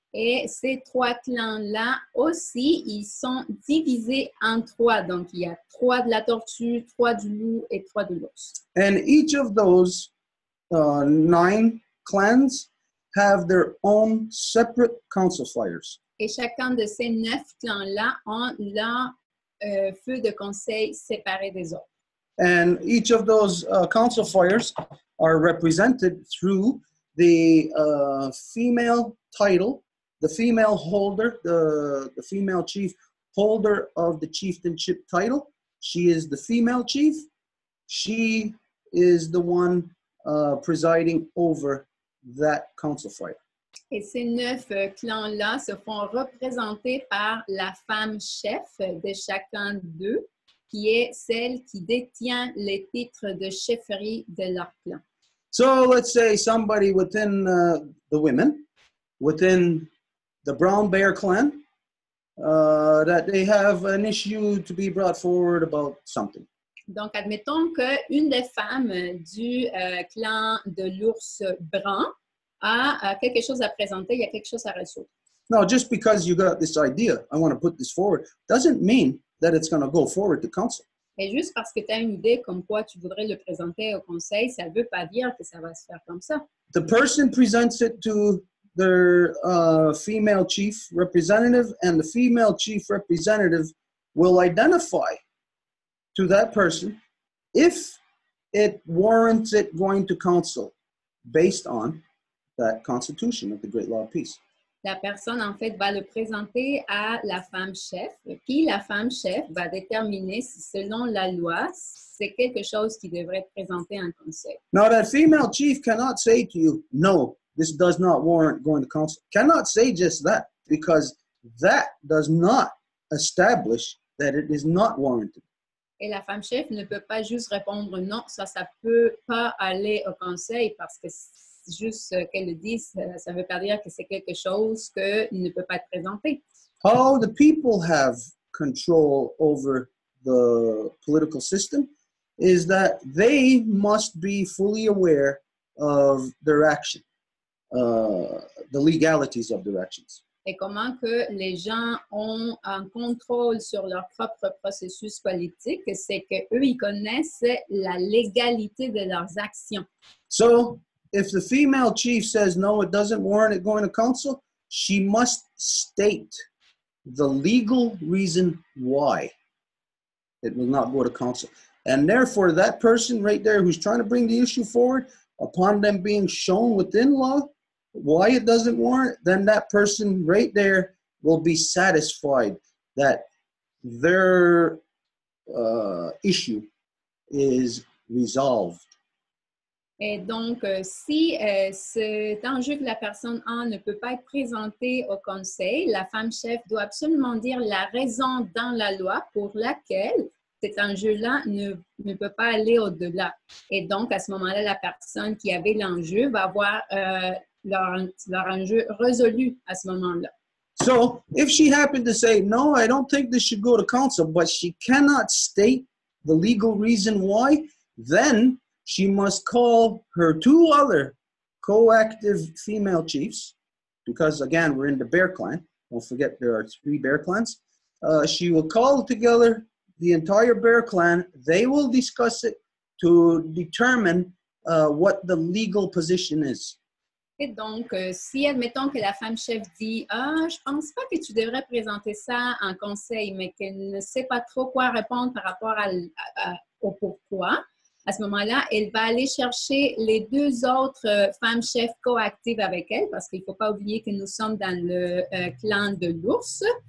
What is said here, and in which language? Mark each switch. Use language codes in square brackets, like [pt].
[fr] Et ces trois clans-là aussi, ils sont divisés en trois. Donc, il y a trois de la tortue, trois du loup et trois de l'ours. [en] And each of those nine clans have their own separate council fires. [fr] Et chacun de ces neuf clans-là ont leur feu de conseil séparé des autres. [en] And each of those council fires are represented through the female title, the female holder, the female chief holder of the chieftainship title. She is the female chief. She is the one presiding over that council fire. [fr] Et ces neuf clans-là se font représenter par la femme chef de chacun d'eux, qui est celle qui détient les titres de chefferie de leur clan. [en] So let's say somebody within the women, within the brown bear clan, that they have an issue to be brought forward about something. [fr] Donc admettons qu'une des femmes du clan de l'ours brun a quelque chose à présenter, il y a quelque chose à résoudre. [en] No, just because you got this idea, I want to put this forward, doesn't mean that it's going to go forward to council. [fr] Et juste parce que tu as une idée comme quoi tu voudrais le présenter au conseil, ça ne veut pas dire que ça va se faire comme ça. [en] The person presents it to their female chief representative, and the female chief representative will identify to that person if it warrants it going to council based on that constitution of the great law of peace. [fr] La personne, en fait, va le présenter à la femme chef, puis la femme chef va déterminer si, selon la loi, c'est quelque chose qui devrait être présenté en conseil. [en] Now, that female chief cannot say to you, no, this does not warrant going to council. Cannot say just that, because that does not establish that it is not warranted. [fr] Et la femme chef ne peut pas juste répondre, non, ça, ça peut pas aller au conseil, parce que juste qu'elle le dise, ça ne veut pas dire que c'est quelque chose qu'il ne peut pas être présenté. [en] How the people have control over the political system is that they must be fully aware of their action, the legalities of their actions. [fr] Et comment que les gens ont un contrôle sur leur propre processus politique, c'est qu'eux, ils connaissent la légalité de leurs actions. [en] So, if the female chief says, no, it doesn't warrant it going to council, she must state the legal reason why it will not go to council. And therefore, that person right there who's trying to bring the issue forward, upon them being shown within law why it doesn't warrant, then that person right there will be satisfied that their issue is resolved. [fr] Et donc, si cet enjeu que la personne a ne peut pas être présenté au conseil, la femme chef doit absolument dire la raison dans la loi pour laquelle cet enjeu-là ne peut pas aller au-delà. Et donc, à ce moment-là, la personne qui avait l'enjeu va avoir leur enjeu résolu à ce moment-là. [en] So, if she happened to say, no, I don't think this should go to council, but she cannot state the legal reason why, then she must call her two other co-active female chiefs, because again, we're in the bear clan. Don't forget there are three bear clans. She will call together the entire bear clan. They will discuss it to determine what the legal position is. [fr] Et donc, si admettons que la femme chef dit, je pense pas que tu devrais présenter ça en conseil, mais qu'elle ne sait pas trop quoi répondre par rapport au pourquoi, à ce moment-là, elle va aller chercher les deux autres femmes chefs coactives avec elle, parce qu'il ne faut pas oublier que nous sommes dans le clan de l'ours.